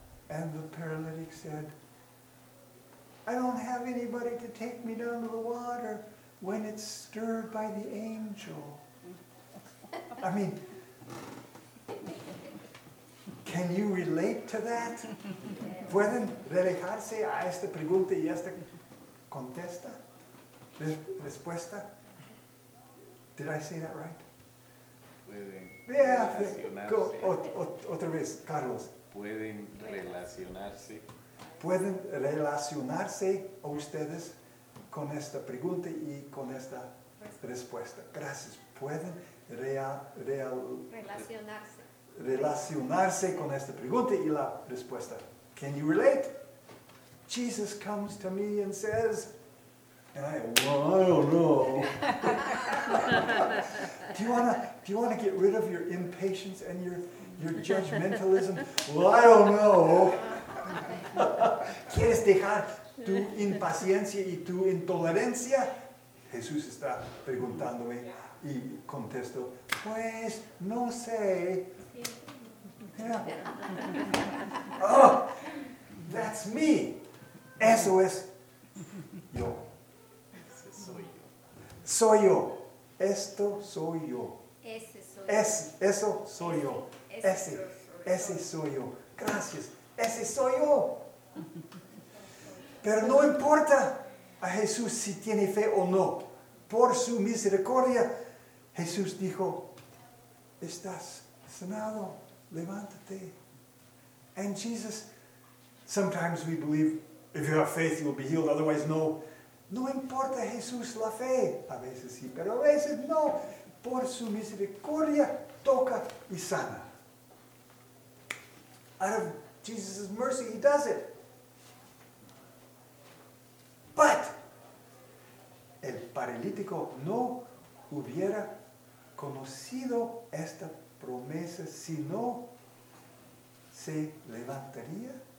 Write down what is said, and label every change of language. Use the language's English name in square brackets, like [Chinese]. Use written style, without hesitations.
[English] And the paralytic said, I don't have anybody to take me down to the water when it's stirred by the angel. I mean, can you relate to that? [Spanish] ¿Pueden relajarse a esta pregunta y esta contesta? ¿Respuesta? [English] Did I say that right? [Spanish] Pueden relacionarse. [English] Go, [Spanish] otra vez, Carlos. Pueden relacionarse. ¿Pueden relacionarse a ustedes con esta pregunta y con esta respuesta? Gracias. ¿Pueden relacionarse? Relacionarse con esta pregunta y la respuesta. [English] Can you relate? Jesus comes to me and says, and I, well, I don't know. Do you wanna get rid of your impatience and your judgmentalism? Well, I don't know. [Spanish] ¿Quieres dejar tu impaciencia y tu intolerancia? Jesús está preguntándome y contesto, pues no sé. [English] Yeah. Oh, that's me. [Spanish] Eso es yo. Ese soy yo. Soy yo. Esto soy yo. Ese soy yo. Eso soy yo. Ese soy yo. Gracias. Ese soy yo. Pero no importa a Jesús si tiene fe o no. Por su misericordia, Jesús dijo, estás sanado. Levántate. [English] And Jesus, sometimes we believe, if you have faith, you will be healed. Otherwise, [Spanish] no. No importa, Jesús, la fe. A veces sí, pero a veces no. Por su misericordia, toca y sana. [English] Out of Jesus' mercy, he does it. But, [Spanish] el paralítico no hubiera conocido esta promesa si no se levantaría.